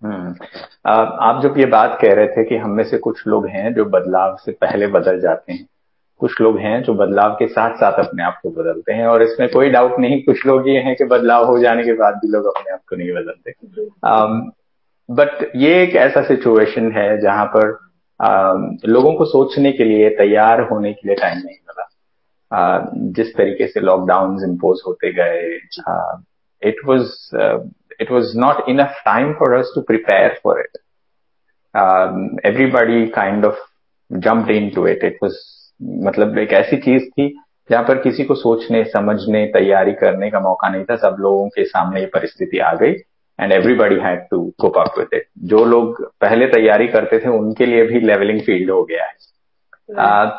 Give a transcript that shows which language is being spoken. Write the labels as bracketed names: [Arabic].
[Hindi] आप जब ये बात कह रहे थे कि हम में से कुछ लोग हैं जो बदलाव से पहले बदल जाते हैं, कुछ लोग हैं जो बदलाव के साथ साथ अपने आप को बदलते हैं, और इसमें कोई डाउट नहीं कुछ लोग ये हैं कि बदलाव हो जाने के बाद भी लोग अपने आप को नहीं बदलते। [English] but [Hindi] ये एक ऐसा सिचुएशन है जहां पर लोगों को सोचने के लिए, तैयार होने के लिए टाइम नहीं मिला। जिस तरीके से लॉकडाउन इम्पोज होते गए, [English] it was not enough time for us to prepare for it. Everybody kind of jumped into it. It was [Hindi] मतलब एक ऐसी चीज थी जहां पर किसी को सोचने, समझने, तैयारी करने का मौका नहीं था। सब लोगों के सामने ये परिस्थिति आ गई [English] And everybody had to cope up with it. [Hindi] जो लोग पहले तैयारी करते थे उनके लिए भी लेवलिंग फील्ड हो गया है।